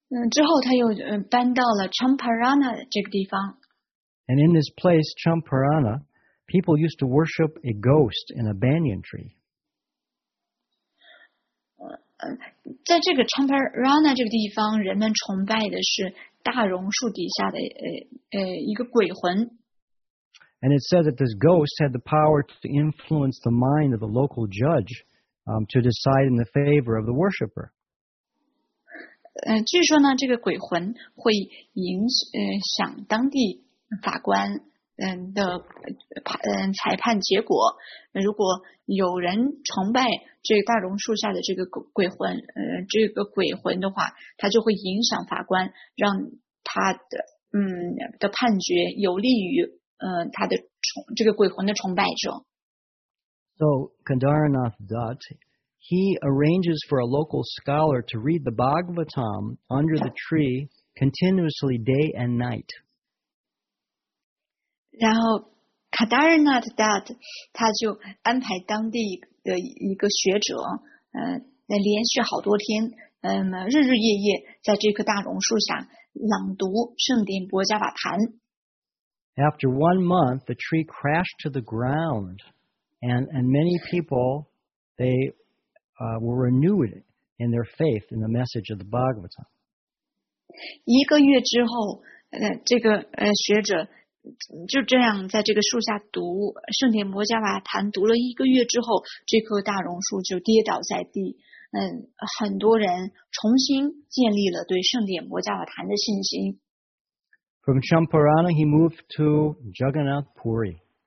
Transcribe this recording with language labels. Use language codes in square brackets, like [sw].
[zh] 之后他又搬到了 Champarana 这个地方。 [en] And in this place, Champarana, people used to worship a ghost in a banyan tree. [zh] 在这个 Champarana 这个地方，人们崇拜的是大榕树底下的一个鬼魂。 [en] And it said that this ghost had the power to influence the mind of the local judge, to decide in the favor of the worshipper. [zh] 据说呢，这个鬼魂会影响当地法官的裁判结果。如果有人崇拜这大榕树下的这个鬼魂，这个鬼魂的话，他就会影响法官，让他的判决有利于他的这个鬼魂的崇拜者。 [en] So Kandaranath Dutt, he arranges for a local scholar to read the Bhagavatam under the tree continuously day and night. [zh] 然后 Kandaranath Dutt 他就安排当地的一个学者连续好多天日日夜夜在这棵大榕树下朗读圣典波伽瓦坛。 [en] After 1 month, the tree crashed to the ground, and many people, they were renewed in their faith in the message of the Bhagavatam. [zh] 一个月之后这个学者就这样在这个树下读圣典摩迦瓦坛，读了一个月之后，这棵大榕树就跌倒在地。很多人重新建立了对圣典摩迦瓦坛的信心。 [en] From Champarana, he moved to Jagannath Puri.